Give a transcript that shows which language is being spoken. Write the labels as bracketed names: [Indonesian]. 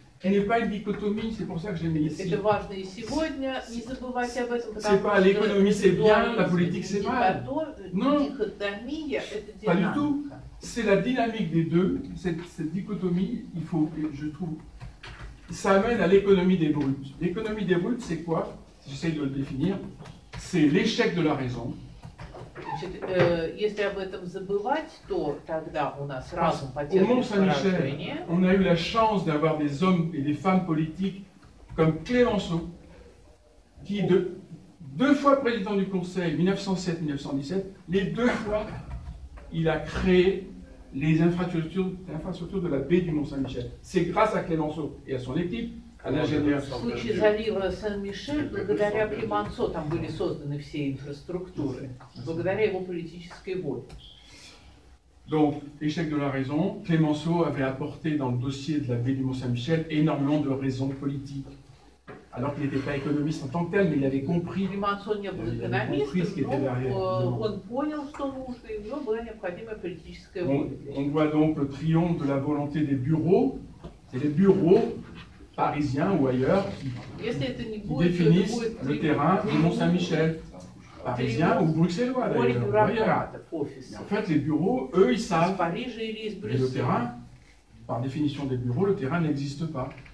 [French] Elle n'est pas une dichotomie, c'est pour ça que j'ai mis ici. C'est pas l'économie c'est bien, la politique c'est mal. Non, pas du tout. C'est la dynamique des deux, cette dichotomie, il faut, je trouve, ça amène à l'économie des brutes. L'économie des brutes, c'est quoi? J'essaye de le définir. C'est l'échec de la raison. [Russian] Значит, если об этом забывать, то тогда у нас разум потерпит поражение. [French] Au Mont-Saint-Michel, on a eu la chance d'avoir des hommes et des femmes politiques comme Clémenceau, qui deux fois président du Conseil, 1907-1917, les deux fois, il a créé les infrastructures de la baie du Mont-Saint-Michel. C'est grâce à Clémenceau et à son équipe. [Russian] В случае залива Сен-Мишель, благодаря Клемансо, там были созданы все инфраструктуры, благодаря его политической воле. [French] Donc, échec de la raison, Clémenceau avait apporté dans le dossier de la baie du Mont-Saint-Michel énormément de raisons politiques. Alors qu'il n'était pas économiste en tant que tel, mais il avait compris. [Russian] Клемансо не был экономистом, но он понял, что нужно, и у него была необходимая политическая воля. [French] On voit donc le triomphe de la volonté des bureaux, c'est les bureaux parisiens ou ailleurs qui définissent le terrain du Mont-Saint-Michel, parisiens ou bruxellois d'ailleurs. En fait, les bureaux, eux, ils savent. Mais le terrain, par définition des bureaux, le terrain n'existe pas.